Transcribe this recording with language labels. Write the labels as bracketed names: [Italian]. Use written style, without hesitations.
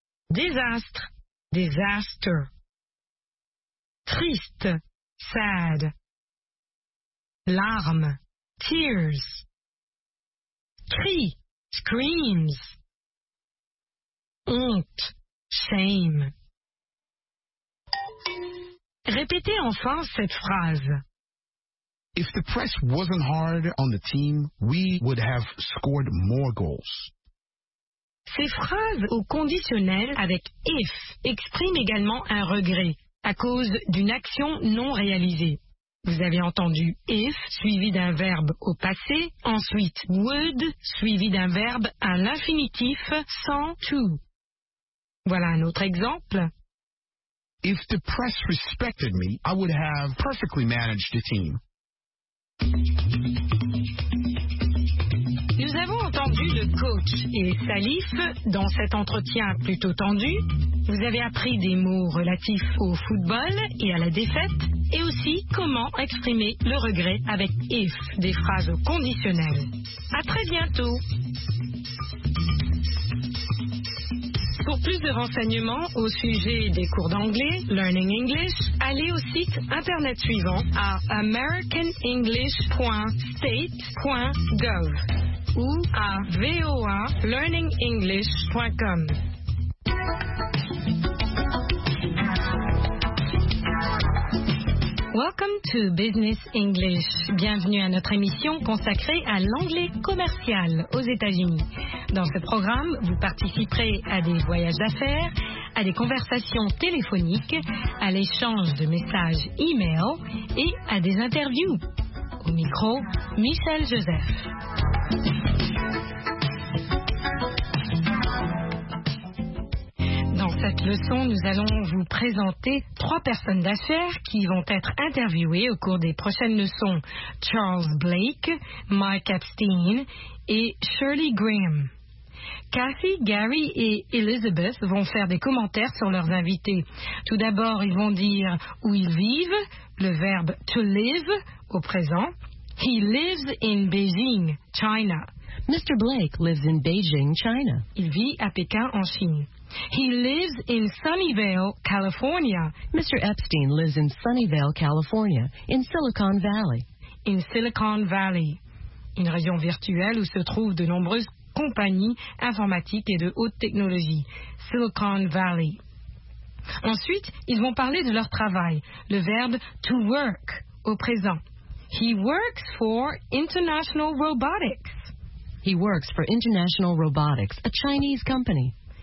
[French] Désastre. [English] Disaster. [French] Triste. [English] Sad. [French] Larmes. [English] Tears. [French] Cri. [English] Screams. [French] Honte. [English] shame. [French] Répétez enfin cette phrase. [English] If the press wasn't hard on the team, we would have scored more goals. [French] Ces phrases au conditionnel avec if expriment également un regret à cause d'une action non réalisée. Vous avez entendu if suivi d'un verbe au passé, ensuite would suivi d'un verbe à l'infinitif sans to. Voilà un autre exemple. [English] If the press respected me, I would have perfectly managed the team. [French] Nous avons entendu le coach et Salif dans cet entretien plutôt tendu. Vous avez appris des mots relatifs au football et à la défaite, et aussi comment exprimer le regret avec if, des phrases conditionnelles. À très bientôt. Pour plus de renseignements au sujet des cours d'anglais, Learning English, allez au site internet suivant à americanenglish.state.gov ou à voalearningenglish.com. [English] Welcome to Business English. [French] Bienvenue à notre émission consacrée à l'anglais commercial aux États-Unis. Dans ce programme, vous participerez à des voyages d'affaires, à des conversations téléphoniques, à l'échange de messages e-mail et à des interviews. Au micro, Michel Joseph. Cette leçon, nous allons vous présenter trois personnes d'affaires qui vont être interviewées au cours des prochaines leçons. Charles Blake, Mike Epstein et Shirley Graham. Kathy, Gary et Elizabeth vont faire des commentaires sur leurs invités. Tout d'abord, ils vont dire où ils vivent, le verbe to live au présent. [English] He lives in Beijing, China. Mr. Blake lives in Beijing, China. [French] Il vit à Pékin, en Chine. [English] He lives in Sunnyvale, California. Mr. Epstein lives in Sunnyvale, California, in Silicon Valley. [French] In Silicon Valley, une région virtuelle où se trouvent de nombreuses compagnies informatiques et de haute technologie. Silicon Valley. Ensuite, ils vont parler de leur travail, le verbe to work au présent. [English] He works for International Robotics. He works for International Robotics, a Chinese company.